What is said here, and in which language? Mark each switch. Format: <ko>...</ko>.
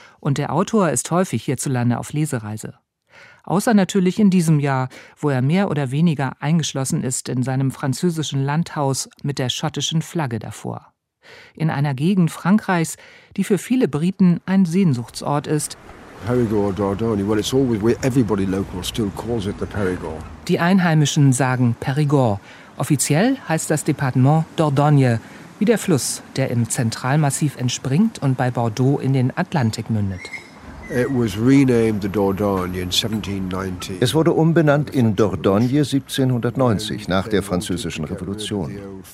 <de>Und der Autor ist häufig hierzulande auf Lesereise. Außer natürlich in diesem Jahr, wo er mehr oder weniger eingeschlossen ist in seinem französischen Landhaus mit der schottischen Flagge davor. In einer Gegend Frankreichs, die für viele Briten ein Sehnsuchtsort ist. Périgord, Dordogne.</de> <en>Well, it's always where everybody local still calls it the Périgord.</en> <de>Die Einheimischen sagen Périgord. Offiziell heißt das Departement Dordogne, wie der Fluss, der im Zentralmassiv entspringt und bei Bordeaux in den Atlantik mündet.</de> <en>It was renamed the Dordogne in 1790.</en> <de>Es wurde umbenannt in Dordogne 1790, nach der Französischen Revolution.</de>